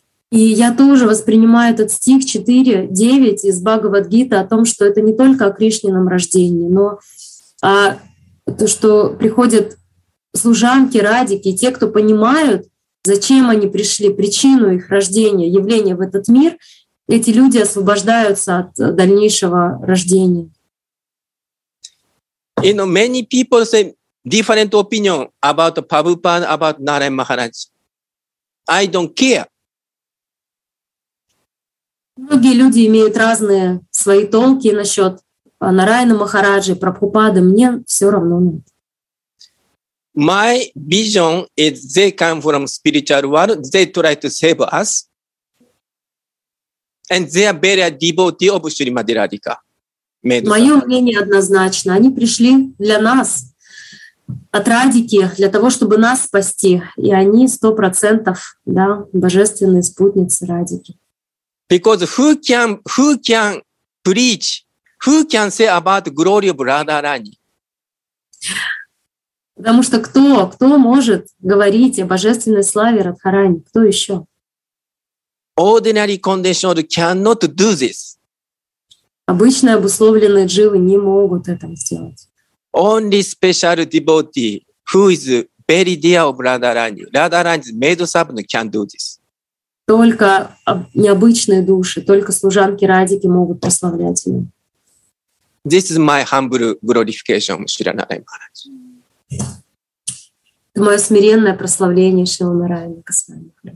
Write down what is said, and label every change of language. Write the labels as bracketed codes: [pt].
[ru] И я тоже воспринимаю этот стих 4.9 из Бхагавад-гита о том, что это не только о Кришненом рождении, но о том, что приходят служанки, радики, те, кто понимают, зачем они пришли, причину их рождения, явления в этот мир, эти люди освобождаются от дальнейшего рождения. [en] You know, many people say different opinion about Prabhupada, about Narayan Maharaj. I don't care. [ru] Многие люди имеют разные свои толки насчет Нараяны Махараджи, Прабхупады. Мне все равно. [en] My vision is they come from spiritual world. They try to save us, and they are very devotee of Srimati Radhika. [ru] Мое мнение однозначно. Они пришли для нас от Радики для того, чтобы нас спасти, и они 100%, да, божественные спутницы Радики. [en] Because who can preach, who can say about glory of Radharani? [ru] Потому что кто может говорить о божественной славе Радхарани? Кто еще? [en] Ordinary conditioned cannot do this. [ru] Обычные обусловленные дживы не могут этого сделать. [en] Only special devotee who is very dear of Radharani, Radharani's maid servant can do this. [ru] Только необычные души, только служанки Радики могут прославлять его. [en] This is my humble glorification, Шрила Нараяна Махараджа. [ru] Это мое смиренное прославление Шрила Нараяна Госвами.